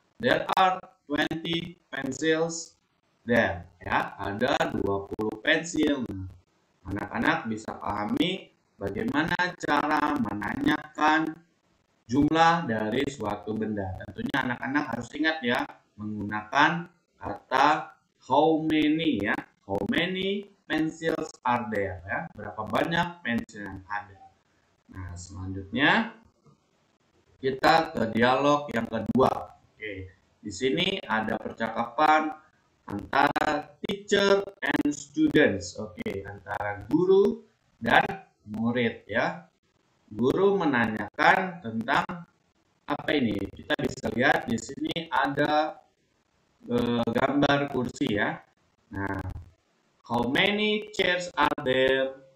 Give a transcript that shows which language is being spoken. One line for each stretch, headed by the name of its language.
English: There are 20 pencils there.
Indonesian: Ya, ada 20 pensil. Anak-anak bisa pahami bagaimana cara menanyakan jumlah dari suatu benda. Tentunya anak-anak harus ingat ya, menggunakan kata
English: how many
Indonesian: ya.
English: How many pencils are there ya?
Indonesian: Berapa banyak pensil yang ada? Nah, selanjutnya kita ke dialog yang kedua. Oke. Di sini ada percakapan antara
English: teacher and students.
Indonesian: Oke, antara guru dan murid ya. Guru menanyakan tentang apa ini? Kita bisa lihat di sini ada gambar kursi ya.
English: Nah, how many chairs are there?